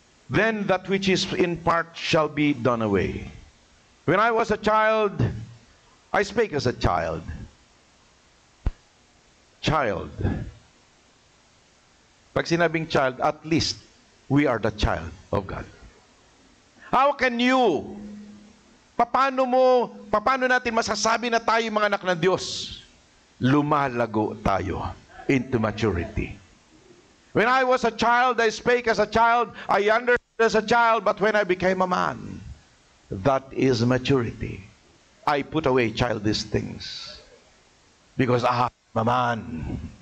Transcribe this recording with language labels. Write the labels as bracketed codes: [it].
[en] Then that which is in part shall be done away. When I was a child, I spake as a child. Child. [tl] Pag sinabing [en] child, at least we are the child of God. How can you? [tl] Paano natin masasabi na tayo mga anak ng Diyos? Lumalago tayo [en] into maturity. When I was a child, I spake as a child, I understood as a child, but when I became a man, that is maturity. I put away childish things because I am a man.